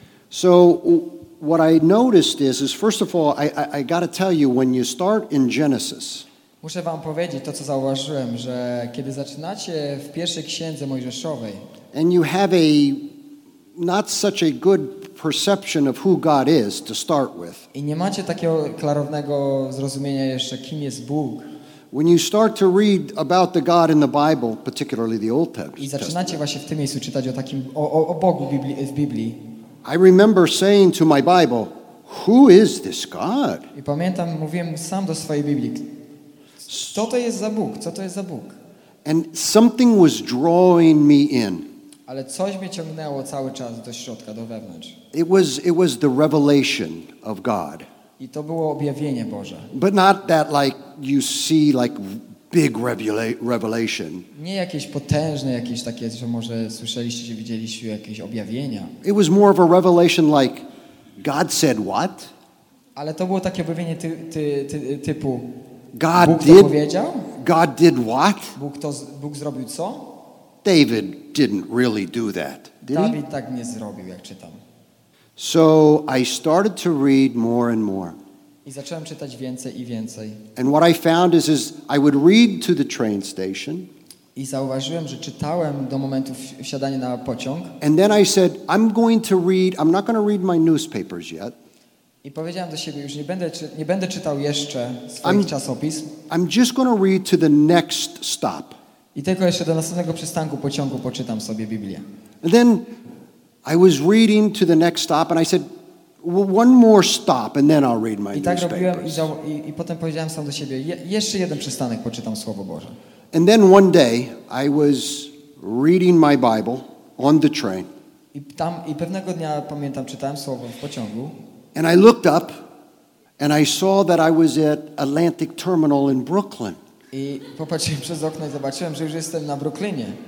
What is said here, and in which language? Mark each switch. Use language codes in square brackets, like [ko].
[en] So what I noticed is first of all, I got to tell you, when you start in Genesis. [pl] Muszę wam powiedzieć to, co zauważyłem, że kiedy zaczynacie w pierwszej księdze Mojżeszowej. [en] And you have a not such a good perception of who God is to start with. [pl] I nie macie takiego klarownego zrozumienia jeszcze, kim jest Bóg. [en] When you start to read about the God in the Bible, particularly the Old Testament. [pl] I zaczynacie właśnie w tym miejscu czytać o takim o Bogu w Biblii. [en] I remember saying to my Bible, "Who is this God?" [pl] I pamiętam, mówiłem sam do swojej Biblii, co to jest za Bóg? Co to jest za Bóg? [en] And something was drawing me in. [pl] Ale coś mnie ciągnęło cały czas do środka, do wewnątrz. [en] It was the revelation of God. [pl] I to było objawienie Boże. [en] But not that like you see like big revelation. [pl] Nie jakieś potężne, jakieś takie, że może słyszeliście, czy widzieliście jakieś objawienia. [en] It was more of a revelation like God said what? [pl] Ale to było takie objawienie typu [en] God [pl] Bóg [en] did, [pl] to powiedział? [en] God did what? [pl] Bóg zrobił co? [en] David didn't really do that, did David he? [pl] David tak nie zrobił, jak czytam. [en] So I started to read more and more. [pl] I zacząłem czytać więcej i więcej. [en] And what I found is I would read to the train station. [pl] I zauważyłem, że czytałem do momentu wsiadania na pociąg. [en] And then I said, I'm going to read, I'm not going to read my newspapers yet. [pl] I powiedziałem do siebie, już nie będę czytał jeszcze swoich czasopism. [en] I'm just going to read to the next stop. [pl] I tylko jeszcze do następnego przystanku pociągu poczytam sobie Biblię. [en] And then I was reading to the next stop and I said, one more stop and then I'll read my newspapers. [pl] I tak robiłem i potem powiedziałem sam do siebie, jeszcze jeden przystanek poczytam Słowo Boże. [en] And then one day I was reading my Bible on the train. [pl] I pewnego dnia, pamiętam, czytałem Słowo w pociągu. [en] And I looked up and I saw that I was at Atlantic Terminal in Brooklyn. [pl] I popatrzyłem przez okno i zobaczyłem, że już jestem na Brooklynie.